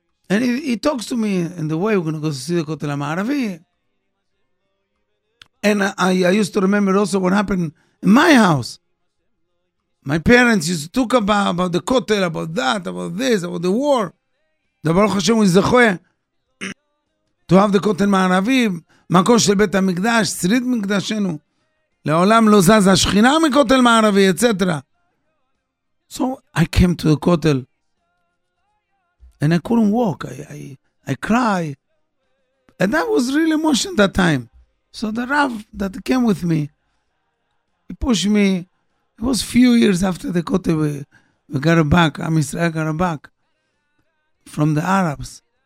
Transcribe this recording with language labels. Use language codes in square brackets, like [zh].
[en] And he talks to me in the way we're going to go to see the kotel Amaravi. And I used to remember also what happened in my house. My parents used to talk about the kotel, about that, about this, about the war. The Baruch Hashem was Zechoyah. To have the kotel Amaravi. [he] מקום של בית המקדש, שריד מקדשנו, לעולם לא זז השכינה מכותל מערבי, etc. [en] So I came to the kotel, and I couldn't walk. I cry. And that was real emotion that time. So the Rav that came with me, he pushed me. It was a few years after the kotel, we got it back, Am Israel got it back, from the Arabs.